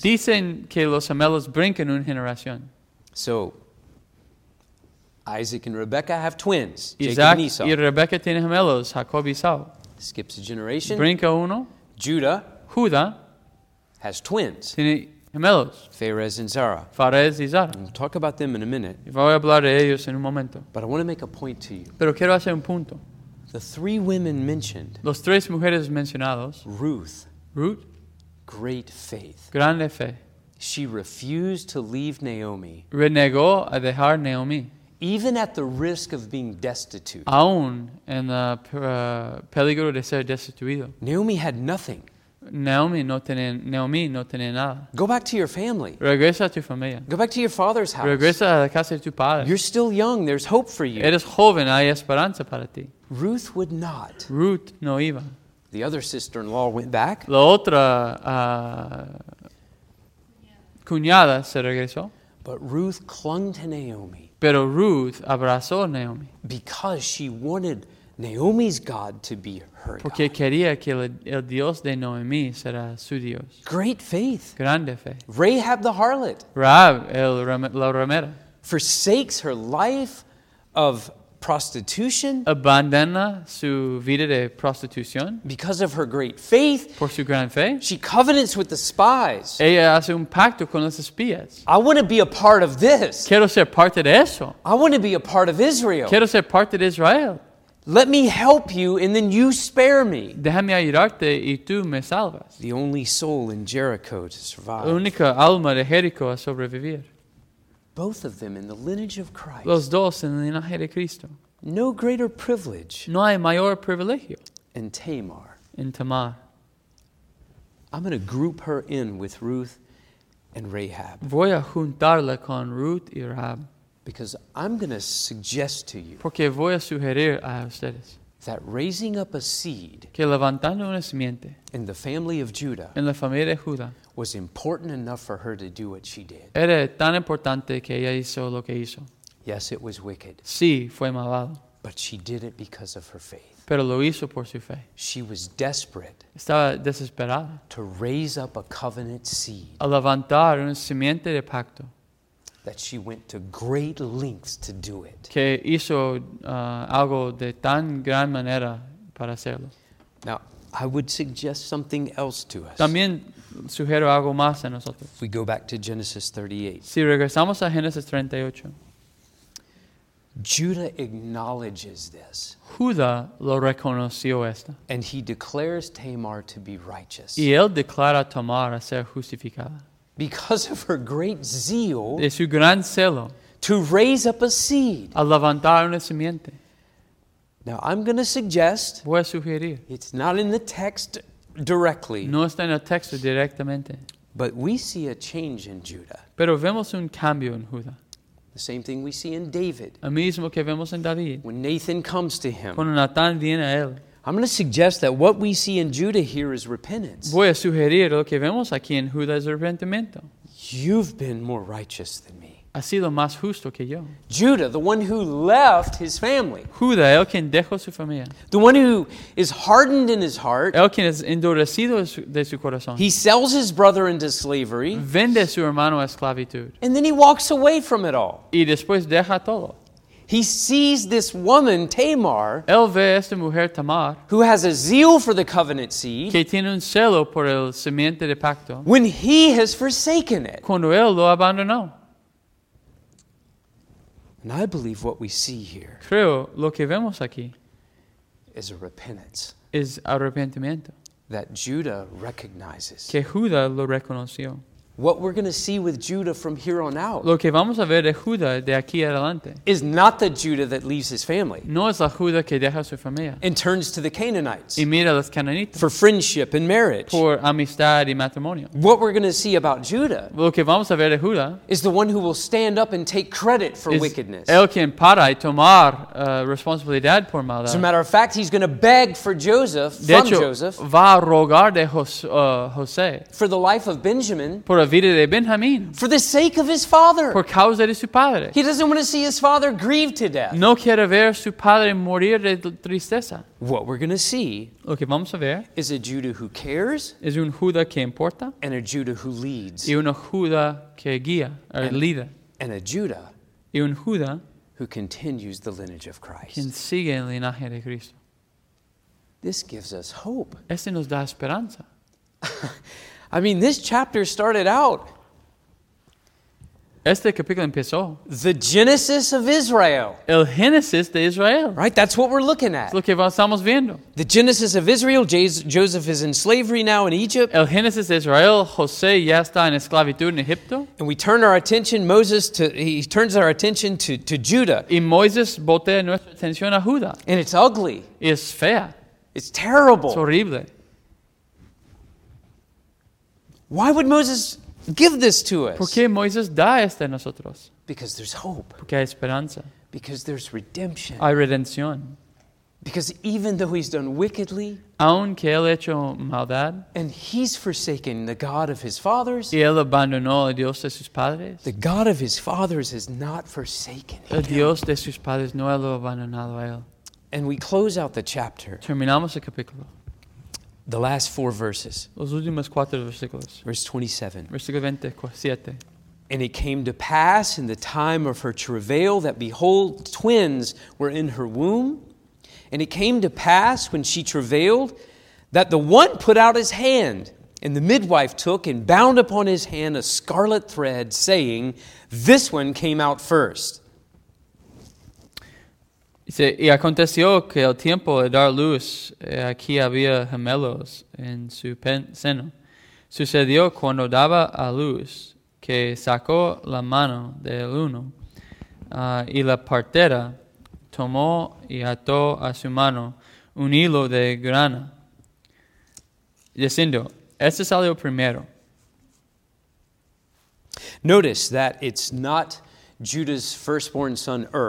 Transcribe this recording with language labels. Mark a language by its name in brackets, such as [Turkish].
[Spanish] Dicen que los gemelos brincan una generación. [English] So, Isaac and Rebekah have twins, Isaac Jacob and Esau. [Spanish] Y Rebekah tiene gemelos, Jacob y Esau. [English] Skips a generation. [Spanish] Brinca uno. [English] Judah. [Spanish] Judah. [English] Has twins. [Spanish] Tiene gemelos. [English] Phares and Zerah. [Spanish] Phares y Zerah. [English] We'll talk about them in a minute. [Spanish] Y voy a hablar de ellos en un momento. [English] But I want to make a point to you. [Spanish] Pero quiero hacer un punto. [English] The three women mentioned. [Spanish] Los tres mujeres mencionados. [English] Ruth. [Spanish] Ruth. [English] Great faith. [Spanish] Grande fe. [English] She refused to leave Naomi. [Spanish] Renegó a dejar Naomi. [English] Even at the risk of being destitute. [Spanish] Aún en el peligro de ser destituido. [English] Naomi had nothing. [Spanish] Naomi no tenía nada. [English] Go back to your family. [Spanish] Regresa a tu familia. [English] Go back to your father's house. [Spanish] Regresa a la casa de tu padre. [English] You're still young. There's hope for you. [Spanish] Eres joven. Hay esperanza para ti. [English] Ruth would not. [Spanish] Ruth no iba. [English] The other sister-in-law went back. [Spanish] La otra cuñada se regresó. [English] But Ruth clung to Naomi. [Spanish] Pero Ruth abrazó a Naomi. [English] Because she wanted Naomi's God to be her God. [Spanish] Porque quería que el Dios de Naomi será su Dios. [English] Great faith. [Spanish] Grande fe. [English] Rahab the harlot. [Spanish] Rahab, la ramera. [English] Forsakes her life of prostitution. [Spanish] Abandona su vida de prostitución. [English] Because of her great faith. [Spanish] Por su gran fe. [English] She covenants with the spies. [Spanish] Ella hace un pacto con los espías. [English] I want to be a part of this. [Spanish] Quiero ser parte de eso. [English] I want to be a part of Israel. [Spanish] Quiero ser parte de Israel. [English] Let me help you and then you spare me. [Spanish] Déjame ayudarte y tú me salvas. [English] The only soul in Jericho to survive. [Spanish] La única alma de Jericho a sobrevivir. [English] Both of them in the lineage of Christ. [Spanish] Los dos en el linaje de Cristo. [English] No greater privilege. [Spanish] No hay mayor privilegio. [English] In Tamar. In Tamar. I'm going to group her in with Ruth and Rahab. [Spanish] Voy a juntarla con Ruth y Rahab. [English] Because I'm going to suggest to you. [Spanish] Porque voy a sugerir a ustedes. [English] That raising up a seed. [Spanish] Que levantando una simiente. [English] In the family of Judah. [Spanish] En la familia de Judá. [English] Was important enough for her to do what she did. [Spanish] Era tan importante que ella hizo lo que hizo. [English] Yes, it was wicked. [Spanish] Sí, fue malvado. [English] But she did it because of her faith. [Spanish] Pero lo hizo por su fe. [English] She was desperate. [Spanish] Estaba desesperada. [English] To raise up a covenant seed. [Spanish] A levantar una simiente de pacto. [English] That she went to great lengths to do it. [Spanish] Que hizo algo de tan gran manera para hacerlo. [English] Now, I would suggest something else to us. [Spanish] También sugiero algo más a nosotros. [English] If we go back to Genesis 38. [Spanish] Si regresamos a Génesis 38. [English] Judah acknowledges this. [Spanish] Judá lo reconoció esto. [English] And he declares Tamar to be righteous. [Spanish] Y él declara a Tamar a ser justificada. [English] Because of her great zeal. [Spanish] De su gran celo. [English] To raise up a seed. [Spanish] A levantar una simiente. [English] Now, I'm going to suggest. [Spanish] Voy a sugerir. [English] It's not in the text directly. [Spanish] No está en el texto directamente. [English] But we see a change in Judah. [Spanish] Pero vemos un cambio en Judá. [English] The same thing we see in David. [Spanish] El mismo que vemos en David. [English] When Nathan comes to him. [Spanish] Cuando Natán viene a él. [English] I'm going to suggest that what we see in Judah here is repentance. [Spanish] Voy a sugerir lo que vemos aquí en Judá es arrepentimiento. [English] You've been more righteous than me. [Spanish] Ha sido más justo que yo. [English] Judah, the one who left his family. [Spanish] Judá, el quien dejó su familia. [English] The one who is hardened in his heart. [Spanish] El quien es endurecido de su corazón. [English] He sells his brother into slavery. [Spanish] Vende su hermano a esclavitud. [English] And then he walks away from it all. [Spanish] Y después deja todo. [English] He sees this woman, Tamar. [Spanish] Él ve esta mujer, Tamar. [English] Who has a zeal for the covenant seed. [Spanish] Que tiene un celo por el simiente de pacto. [English] When he has forsaken it. [Spanish] Cuando él lo abandonó. [English] And I believe what we see here. [Spanish] Creo lo que vemos aquí. [English] Is a repentance. [Spanish] Es arrepentimiento. [English] That Judah recognizes. [Spanish] Que Judá lo reconoció. [English] What we're going to see with Judah from here on out. [Spanish] Lo que vamos a ver de Judá de aquí adelante. [English] Is not the Judah that leaves his family. [Spanish] No es la Judá que deja su familia. [English] And turns to the Canaanites. [Spanish] Y mira a los cananitas. [English] For friendship and marriage. [Spanish] Por amistad y matrimonio. [English] What we're going to see about Judah. [Spanish] Lo que vamos a ver de Judá. [English] Is the one who will stand up and take credit for wickedness. [Spanish] El quien para y tomar responsabilidad por maldad. [English] As a matter of fact, he's going to beg for Joseph, [Spanish] de hecho, [English] from Joseph. [Spanish] Va a rogar de José. [English] For the life of Benjamin. [Spanish] Por la vida de Benjamín. [English] For the sake of his father. [Spanish] Por causa de su padre. [English] He doesn't want to see his father grieve to death. [Spanish] No quiere ver su padre morir de tristeza. [English] What we're going to see. [Spanish] Lo que vamos a ver. [English] Is a Judah who cares. [Spanish] Es un Judah que importa. [English] And a Judah who leads. [Spanish] Y un Judah que guía. Or lider. [English] And a Judah. [Spanish] Y un Judah. [English] Who continues the lineage of Christ. [Spanish] Quien sigue el linaje de Cristo. [English] This gives us hope. [Spanish] Este nos da esperanza. [English] I mean, this chapter started out. [Spanish] Este capítulo empezó. [English] The Genesis of Israel. [Spanish] El Génesis de Israel. [English] Right, that's what we're looking at. [Spanish] Es lo que estamos viendo. [English] The Genesis of Israel, Joseph is in slavery now in Egypt. [Spanish] El Génesis de Israel, José ya está en esclavitud en Egipto. [English] And we turn our attention, he turns our attention to Judah. [Spanish] Y Moisés voltea nuestra atención a Judá. [English] And it's ugly. [Spanish] Y es fea. [English] It's terrible. [Spanish] Es horrible. [English] Why would Moses give this to us? [Spanish] ¿Por qué Moisés da esto a nosotros? [English] Because there's hope. [Spanish] Porque hay esperanza. [English] Because there's redemption. [Spanish] Hay redención. [English] Because even though he's done wickedly, [Spanish] aunque él hecho maldad, [English] and he's forsaken the God of his fathers, [Spanish] y él abandonó a Dios de sus padres, [English] the God of his fathers has not forsaken [Spanish] el [English] him. [Spanish] Dios de sus padres no lo abandonado a él. [English] And we close out the chapter. [Spanish] Terminamos el capítulo. [English] The last four verses. [Spanish] Los últimos cuatro versículos. [English] Verse 27. [Spanish] Versículo 27. [English] And it came to pass in the time of her travail that, behold, twins were in her womb. And it came to pass when she travailed that the one put out his hand, and the midwife took and bound upon his hand a scarlet thread, saying, this one came out first. [Spanish] Dice, y aconteció que el tiempo de dar luz, aquí había gemelos en su seno. Sucedió cuando daba a luz, que sacó la mano del uno, y la partera tomó y ató a su mano un hilo de grana, diciendo, este salió primero. [English] Notice that it's not Judah's firstborn son,